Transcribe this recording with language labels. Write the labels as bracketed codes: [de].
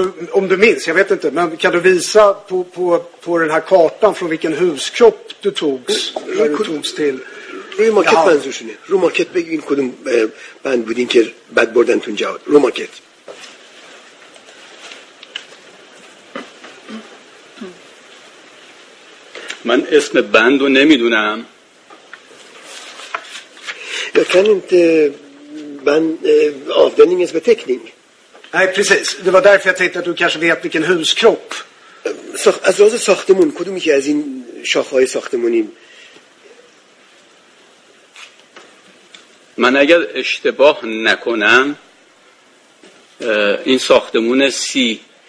[sv] Om du minns, jag vet inte, men kan du visa på den här kartan från vilken huskropp du togs när du togs till [fa] روی ماکت منظورشونه. روی ماکت بگین کدوم بند بودین که بد بردن تون جواد. روی ماکت. من اسم بند رو نمیدونم. یا [sv] kan inte man avdelningens beteckning. Nej, precis. Det var därför jag tänkte att du kanske vet vilken huskropp. Så alltså [fa] ساختمون کدوم یکی از این شاخه‌های ساختمونی من اگر اشتباه نکنم این ساختمون سی